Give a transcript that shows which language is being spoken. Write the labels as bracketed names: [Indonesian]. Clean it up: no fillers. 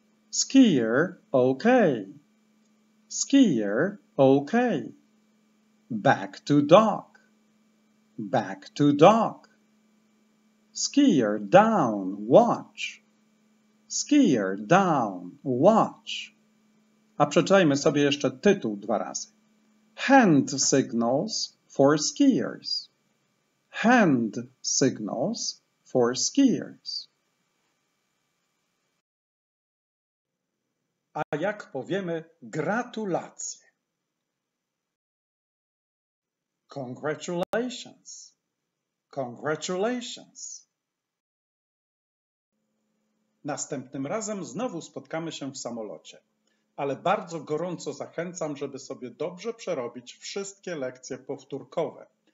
[English] Skier OK. Skier OK. Back to dock. Back to dock. Skier down, watch. Skier down, watch. [Polish] A przeczytajmy sobie jeszcze tytuł dwa razy. [English] Hand signals for skiers. Hand signals for skiers. [Polish] A jak powiemy gratulacje? [English] Congratulations. Congratulations. [Polish] Następnym razem znowu spotkamy się w samolocie. Ale bardzo gorąco zachęcam, żeby sobie dobrze przerobić wszystkie lekcje powtórkowe.